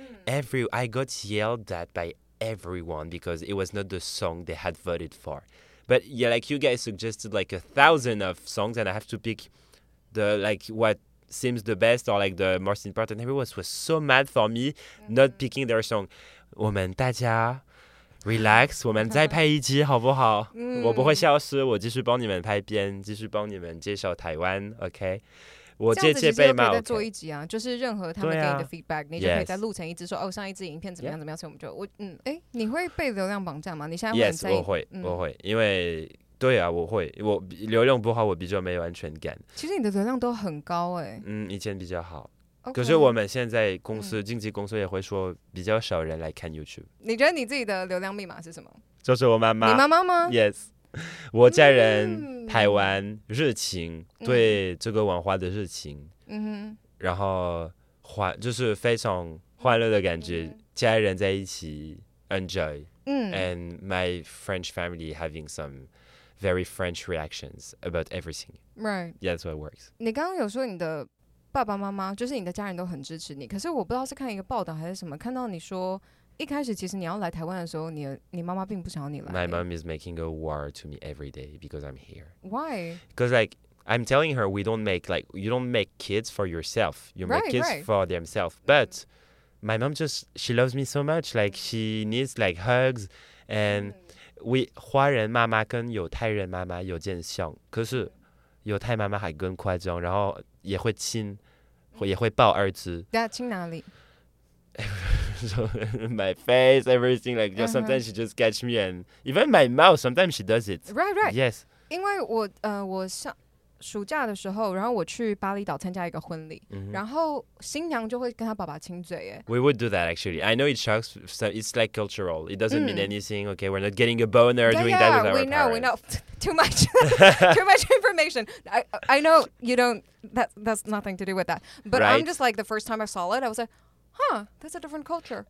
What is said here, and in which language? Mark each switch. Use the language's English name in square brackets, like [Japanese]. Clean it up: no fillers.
[English] I got yelled at by everyone because it was not the song they had voted for. But yeah, like you guys suggested like 1,000 of songs, and I have to pick the like what... seems the best or like the most important. Everyone was so mad for me not picking their song. [Chinese] 我们大家 relax, 我们再拍一集好不好？我不会消失，我继续帮你们拍片，继续帮你们介绍台湾。 OK, 我借借背嘛，可以再做一集啊。就是任何他们给你的 feedback，、啊、你就可以再录成一支说、 yes. 哦，上一支影片怎么样怎么样。所以我们就我嗯，哎、欸，你会被流量绑架吗？你现在会很在意 yes， 我会、嗯，我会，因为对啊，我会，我流量不好，我比较没有安全感。其实你的流量都很高哎、欸，嗯，以前比较好。 [English] Okay, [Chinese] 可是我们现在公司、嗯、经纪公司也会说比较少人来看 YouTube。你觉得你自己的流量密码是什么？就是我妈妈。你妈妈吗？ Yes， 我家人、嗯、台湾热情、嗯、对这个文化的热情、嗯、然后就是非常欢乐的感觉、嗯、家人在一起 enjoy、嗯、 [English] and my French family having some very French reactions about everything。 Right， yeah， that's what works。 [Chinese] 你刚刚有说你的爸爸妈妈就是你的家人都很支持你，可是我不知道是看一个报道还是什么，看到你说一开始其实你要来台湾的时候，你妈妈并不想你来。 [English] My mom is making a war to me every day because I'm here. Why? Because like I'm telling her we don't make like you don't make kids for yourself. You make right, kids right. for themselves. But my mom just she loves me so much. Like she needs like hugs and we [Chinese] 华人妈妈跟犹太人妈妈有点像，可是犹太妈妈还更夸张，然后也会亲，也会抱儿子。对啊，亲哪里？ [English] So, my face, everything, like, just sometimes she just catch me and even my mouth, sometimes she does it. Right, right. Yes. [Chinese] 因为我上暑假的时候，然后我去巴厘岛参加一个婚礼， [English] mm-hmm. [Chinese] 然后新娘就会跟她爸爸亲嘴耶。 [English] We would do that, actually. I know it shocks, so it's like cultural. It doesn't mean anything, okay? We're not getting a boner yeah, doing that with our we parents. Yeah, we know, too much. too much information. I know you don't, that's nothing to do with that. But right? I'm just like, the first time I saw it, I was like,Huh, that's a different culture.